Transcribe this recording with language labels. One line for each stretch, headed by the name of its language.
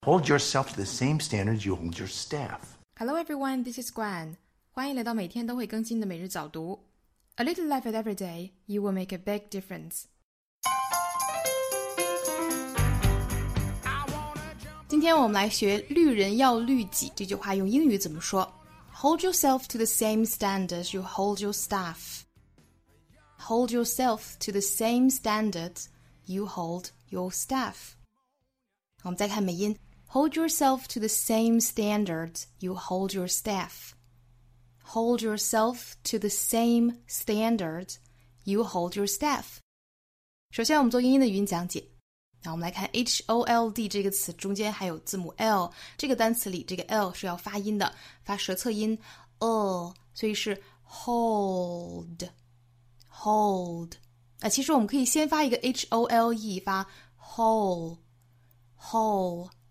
English: Hold yourself to the same standards you hold your staff. Hello everyone, this is Gwen.
Chinese: 欢迎来到每天都会更新的每日早读。
English: A little effort every day, you will make a big difference.
Chinese: 今天我们来学绿人要律己这句话用英语怎么说。
English: Hold yourself to the same standards you hold your staff. Hold yourself to the same standards you hold your staff.
Chinese: 我们再看美音。
English: Hold yourself to the same standards you hold your staff. Hold yourself to the same standards you hold your staff.
Chinese: 首先我们做英音的语音讲解。那我们来看 HOLD 这个词中间还有字母 L, 这个单词里这个 L 是要发音的发舌侧音 L, 所以是 hold, hold. 那其实我们可以先发一个 HOLE, 发 hole, hole.